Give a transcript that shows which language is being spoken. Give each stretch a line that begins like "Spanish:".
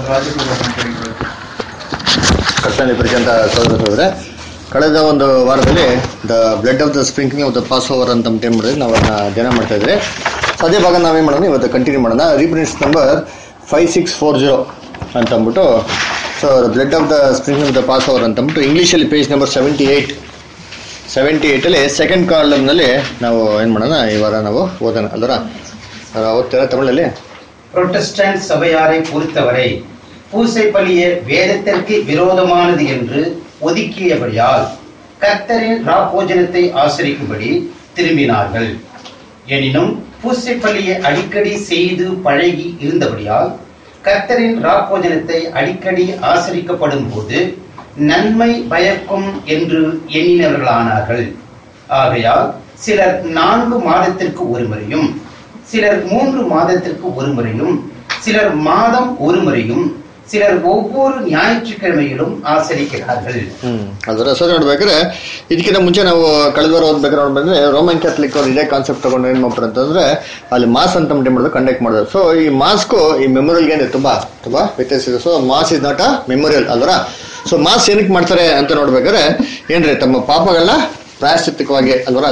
Kannada: ರಾಜಕೀಯ ಕಳೆದ ಒಂದು ವಾರದಲ್ಲಿ the blood of the sprinkling of the pass over ಅಂತ ಟೈಮ್ ಮಾಡಿದ್ರೆ ನಾವು ಅದನ್ನ ಧ್ಯಾನ ಮಾಡ್ತಾ ಇದ್ರೆ ಅದೇ ಭಾಗ ನಾವೇನು ಮಾಡೋಣ ಇವತ್ತು ಕಂಟಿನ್ಯೂ ಮಾಡೋಣ. ರೀಪ್ರಿಂಟ್ಸ್ ನಂಬರ್ 5640 ಅಂತಂದ್ಬಿಟ್ಟು. So the blood of the sprinkling of the pass over ಅಂತಂದ್ಬಿಟ್ಟು ಇಂಗ್ಲೀಷಲ್ಲಿ ಪೇಜ್ ನಂಬರ್ 78 ಅಲ್ಲಿ ಸೆಕೆಂಡ್ ಕಾಲಮ್ನಲ್ಲಿ ನಾವು ಏನು ಮಾಡೋಣ ಈ ವಾರ ನಾವು ಓದೋಣ ಅಲ್ಲರ. ಓದ್ತೀರ ತಮಿಳಲ್ಲಿ?
Tamil: ಪ್ರೊಟೆಸ್ಟೆಂಟ್ ಸಭೆಯಾರೆ ಕುರಿತವರೇ, பூசை பலியே வேதத்திற்கு விரோதமானது என்று ஒதுக்கியபடியால் கர்த்தரின் ராப்போஜனத்தை ஆசரிக்கும்படி திரும்பினார்கள். எனினும் பூசை பலியை அடிக்கடி செய்து பழகி இருந்தபடியால் கர்த்தரின் ராப்போஜனத்தை அடிக்கடி ஆசரிக்கப்படும் போது நன்மை பயக்கும் என்று எண்ணினவர்களானார்கள். ஆகையால் சிலர் 4 மாதத்திற்கு ஒரு முறையும், சிலர் 3 மாதத்திற்கு ஒரு முறையும், சிலர் மாதம் ஒரு முறையும், சிலர் ஒவ்வொரு ஞாயிற்றுக்கிழமையிலும் ஆசரிக்கிறார்கள்.
Kannada: ಅದರ ಇದಕ್ಕಿಂತ ಮುಂಚೆ ನಾವು ಕಳೆದ ವಾರ ಓದ್ಬೇಕಾದ್ರೆ ನೋಡ್ಬಂದ್ರೆ ರೋಮನ್ ಕ್ಯಾಥಲಿಕ್ ಅವ್ರು ಇದೇ ಕಾನ್ಸೆಪ್ಟ್ ತಗೊಂಡು ಏನ್ ಮಾಡ್ತಾರೆ ಅಂತಂದ್ರೆ ಅಲ್ಲಿ ಮಾಸ್ ಅಂತ ಮಾಡೋದು ಕಂಡಕ್ಟ್ ಮಾಡೋದು. ಸೊ ಈ ಮಾಸ್ಕು ಈ ಮೆಮೋರಿಯಲ್ಗೆ ತುಂಬಾ ವ್ಯತ್ಯಾಸ ಇದೆ. So
English: Mass is not a memorial
Kannada: ಅಲ್ವರ. ಸೊ ಮಾಸ್ ಏನಕ್ಕೆ ಮಾಡ್ತಾರೆ ಅಂತ ನೋಡ್ಬೇಕಾದ್ರೆ ಏನ್ರಿ ತಮ್ಮ ಪಾಪಗಳನ್ನ ಪ್ರಾಯಶ್ಚಿತ್ತಿಕವಾಗಿ ಅಲ್ವರ.